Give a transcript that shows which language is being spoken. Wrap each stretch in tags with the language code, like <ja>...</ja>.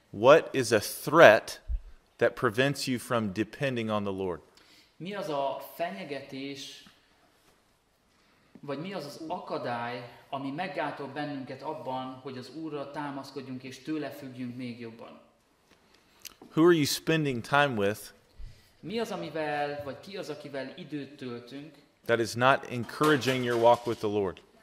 <en>What is a threat that prevents you from depending on the Lord?</en> <hu>Mi az a fenyegetés, vagy mi az az akadály, ami meggátol bennünket abban, hogy az Úrra támaszkodjunk és tőle függjünk még jobban?</hu> <en>Who are you spending time with?</en> <hu>Mi az, amivel, vagy ki az, akivel időt töltünk?</hu> <en>That is not encouraging your walk with the Lord.</en>